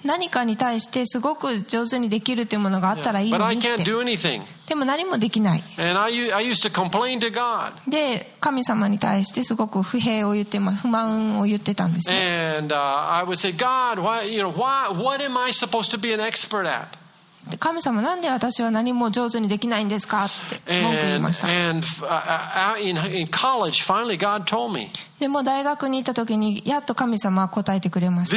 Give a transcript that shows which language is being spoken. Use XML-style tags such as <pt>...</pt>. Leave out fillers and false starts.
<ja>何かに対してすごく上手にできるというものがあったらいいのにって。</ja> <en>Yeah. But I can't do anything.</en> <ja>でも何もできない。</ja> <en>And I used to complain to God.</en> <ja>で、神様に対してすごく不平を言って、不満を言ってたんですね。</ja> <en>And I would say, God, what am I supposed to be an expert at?</en> <ja>で神様、なんで私は何も上手にできないんですかって文句言いました。</ja> <en>In college, finally God told me,</en> <ja>でも大学に行った時にやっと神様は答えてくれました。</ja>